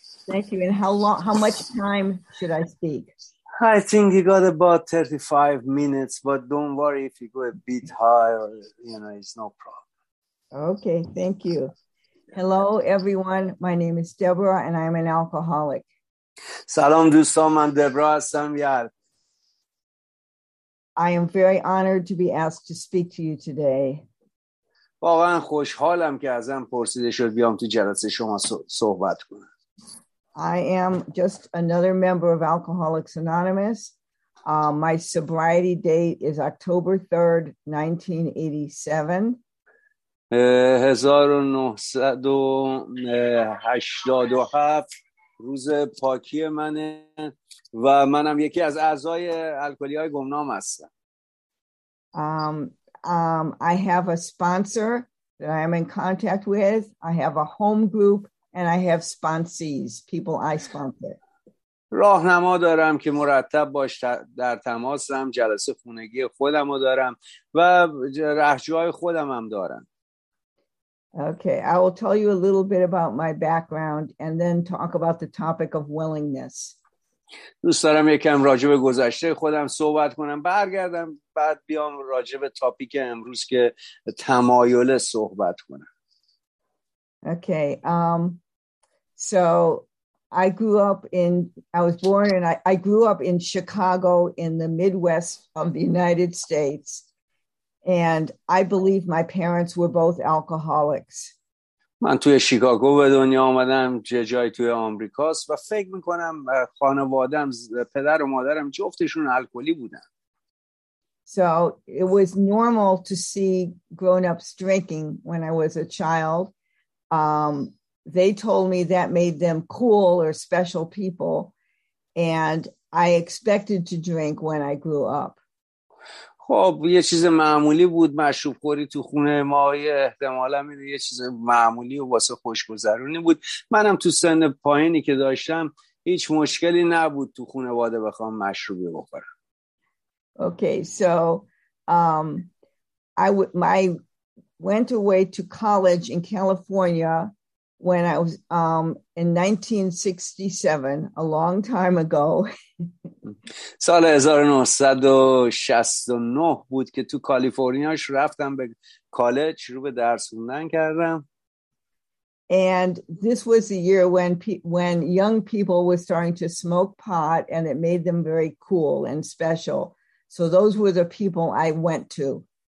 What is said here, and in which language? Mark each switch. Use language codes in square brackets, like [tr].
[en] Thank you. And how long? How much time should I speak? I think you got about 35 minutes, but don't worry if you go a bit high, or you know, it's no problem. Okay, thank you. Hello, everyone. My name is Deborah, and I'm an alcoholic. [fa] سلام دوستان، من دبرا هستم. [en] I am very honored to be asked to speak to you today. [fa] واقعا خوشحالم که ازم پرسیده شد بیام تو جلسه شما صحبت کنم. [en] I am just another member of Alcoholics Anonymous. My sobriety date is October 3rd, 1987. [fa] روز پاکی منه و منم یکی از اعضای الکلی های گمنام هستم. [en] I have a sponsor that I am in contact with. I have a home group and I have sponsees, people I sponsor. [fa] راهنما دارم که مرتب باش در تماسم، جلسه خونگی خودم رو دارم و رهجوهای خودم هم دارم. [en] Okay, I will tell you a little bit about my background and then talk about the topic of willingness. [fa] دوست دارم یکم راجع به گذشته خودم صحبت کنم، برگردم بعد بیام راجع به تاپیک امروز که تمایل صحبت کنم. [en] Okay. So I grew up in I grew up in Chicago in the Midwest of the United States. And I believe my parents were both alcoholics. [fa] من توی شیکاگو به دنیا اومدم، جای توی آمریکاست، و فکر می‌کنم خانواده‌ام، پدر و مادرم جفتشون الکلی بودن. [en] So it was normal to see grown-ups drinking when I was a child. They told me that made them cool or special people, and I expected to drink when I grew up. [fa] خب یه چیز معمولی بود مشروب خوری تو خونه ما، احتمالاً این یه چیز معمولی و واسه خوشگذرونی بود. منم تو سن پایینی که داشتم هیچ مشکلی نبود تو خانواده بخوام مشروبی بخورم. [en] Okay, so I went away to college in California when I was in 1967, a long time ago. [fa] سال 1969 بود که تو کالیفرنیاش رفتم به کالج، شروع به درس خوندن کردم. [en] And this was the year when young people were starting to smoke pot and it made them very cool and special. So those were the people I went to.